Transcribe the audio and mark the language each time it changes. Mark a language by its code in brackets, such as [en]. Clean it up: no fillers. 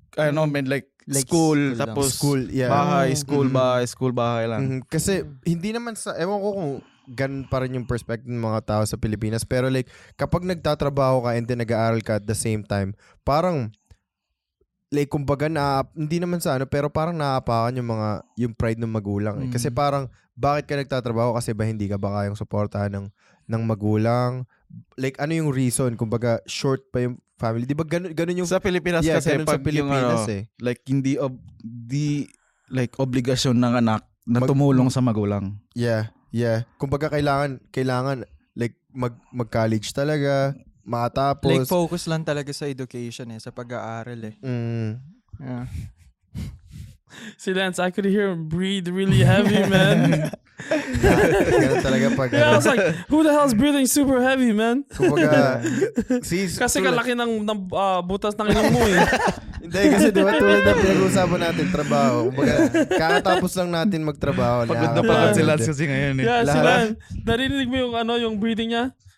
[en] I don't mean like school, school tapos school, yeah, bahay, school, mm-hmm, bahay, school, [tl] bahay lang. Mm-hmm. Kasi, hindi naman sa, ewan ko kung ganun pa rin yung perspective ng mga tao sa Pilipinas. Pero like, kapag nagtatrabaho ka [en] and then [tl] nag-aaral ka [en] at the same time, [tl] parang, like, kumbaga, hindi naman sa ano, pero parang naapakan yung mga, yung pride ng magulang. Mm. Kasi parang, bakit ka nagtatrabaho? Kasi ba hindi ka ba kayang suportahan ng magulang? Like, ano yung reason? Kumbaga, short pa yung family. Di ba ganun yung... Sa Pilipinas, yeah, kasi, pag sa Pilipinas, yung ano, eh, like, hindi, di, like, obligasyon ng anak na tumulong sa magulang. Yeah, yeah. Kumbaga, kailangan, like, mag-college talaga. Matapos. Like, focus lang talaga sa education, eh. Sa pag-aaral, eh. Mm. [en] Yeah. Si Lance, I could hear him breathe really heavy, man. [tl] Ganun talaga pag... [en] Yeah, I was like, who the hell's breathing super heavy, man? [tl] Kumbaga, kasi kalaki ng butas ng ilong mo, eh. Hindi, kasi diba tulad na pinag-usapan natin trabaho. Kumbaga, kakatapos lang natin magtrabaho. Pagod na pagod si Lance kasi ngayon, eh. Yeah, si Lance. Narinig mo yung, ano, yung breathing niya?